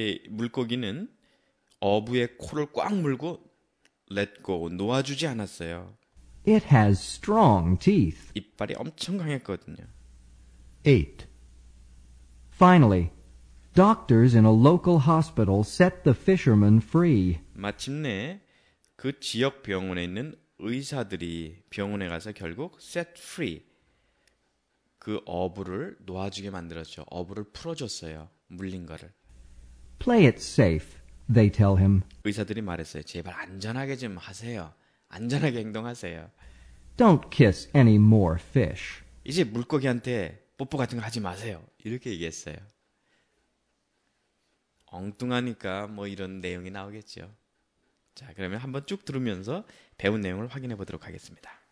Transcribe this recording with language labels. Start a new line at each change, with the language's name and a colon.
Korean: 물고기는 어부의 코를 꽉 물고
English: let go,
Korean: 놓아주지 않았어요.
English: It has strong teeth.
Korean: 이빨이 엄청 강했거든요.
English: Eight. Finally, doctors in a local hospital set the fisherman free.
Korean: 마침내 그 지역 병원에 있는 의사들이 병원에 가서 결국
English: set free.
Korean: 그 어부를 놓아주게 만들었죠. 어부를 풀어줬어요. 물린 거를.
English: Play it safe, they tell him.
Korean: 의사들이 말했어요. 제발 안전하게 좀 하세요. 안전하게 행동하세요.
English: Don't kiss any more fish.
Korean: 이제 물고기한테 뽀뽀 같은 거 하지 마세요. 이렇게 얘기했어요. 엉뚱하니까 뭐 이런 내용이 나오겠죠. 자, 그러면 한번 쭉 들으면서 배운 내용을 확인해 보도록 하겠습니다.